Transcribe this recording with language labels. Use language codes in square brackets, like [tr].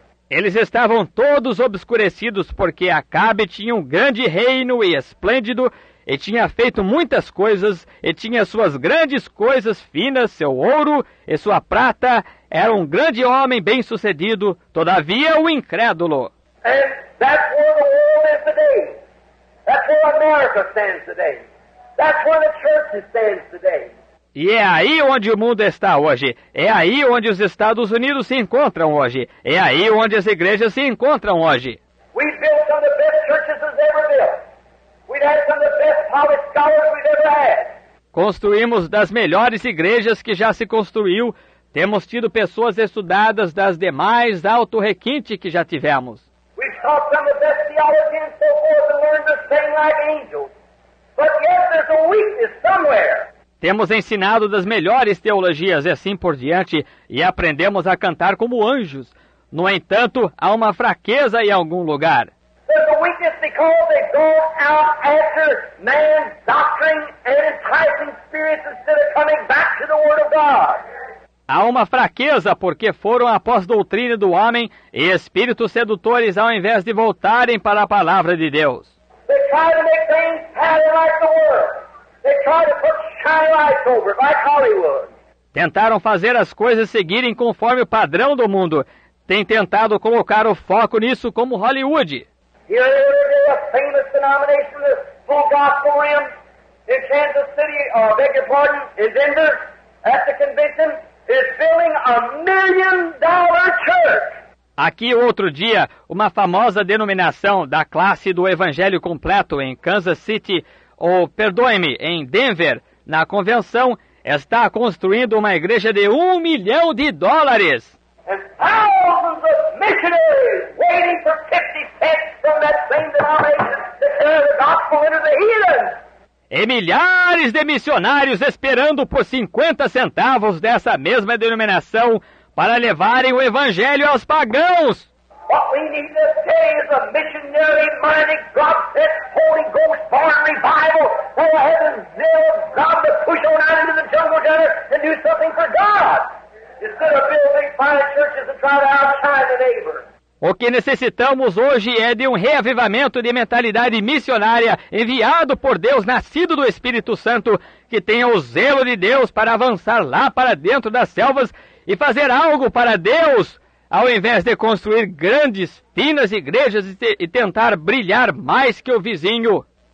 [pt] Eles estavam todos obscurecidos porque Acabe tinha um grande reino e esplêndido, e tinha feito muitas coisas, e tinha suas grandes coisas finas, seu ouro e sua prata. Era um grande homem bem sucedido, todavia o incrédulo. [en] And that's where the world is today. That's where America stands today. That's where the church stands today. [pt] E é aí onde o mundo está hoje. É aí onde os Estados Unidos se encontram hoje. É aí onde as igrejas se encontram hoje. [en] We built some of the best churches we've ever built. We've had some of the best polished scholars we've ever had. [pt] Construímos das melhores igrejas que já se construiu. Temos tido pessoas estudadas das demais alto requinte que já tivemos. [en] We've taught some of the best theology and so forth and learned to sing like angels. But yet there's a weakness somewhere. [pt] Temos ensinado das melhores teologias e assim por diante, e aprendemos a cantar como anjos. No entanto, há uma fraqueza em algum lugar. [en] There's a weakness because they go out after man's doctrine and enticing spirits instead of coming back to the Word of God. [pt] Há uma fraqueza porque foram após doutrina do homem e espíritos sedutores ao invés de voltarem para a palavra de Deus. [en] They try to make things pattern like the world. They try to put shiny lights over, like Hollywood. [pt] Tentaram fazer as coisas seguirem conforme o padrão do mundo. Tem tentado colocar o foco nisso como Hollywood. [en] Here it is, a famous denomination, the full gospel ram in Kansas City, or beg your pardon, in Denver, at the convention. Is building a million-dollar church. [pt] Aqui outro dia, uma famosa denominação da classe do Evangelho Completo em Kansas City, ou, perdoe-me, em Denver, na convenção, está construindo uma igreja de $1 million. [en] And thousands of missionaries waiting for 50 cents from that same denomination to share the gospel into the heathen. [pt] E milhares de missionários esperando por 50 centavos dessa mesma denominação para levarem o evangelho aos pagãos. [en] What we need to say is a missionary-minded, God-sent, Holy Ghost-born revival that will have the zeal of God to push on out into the jungle desert and do something for God. Instead of building fine churches and try to outshine the neighbor. [pt] O que necessitamos hoje é de um reavivamento de mentalidade missionária enviado por Deus, nascido do Espírito Santo, que tenha o zelo de Deus para avançar lá para dentro das selvas e fazer algo para Deus, ao invés de construir grandes, finas igrejas e tentar brilhar mais que o vizinho.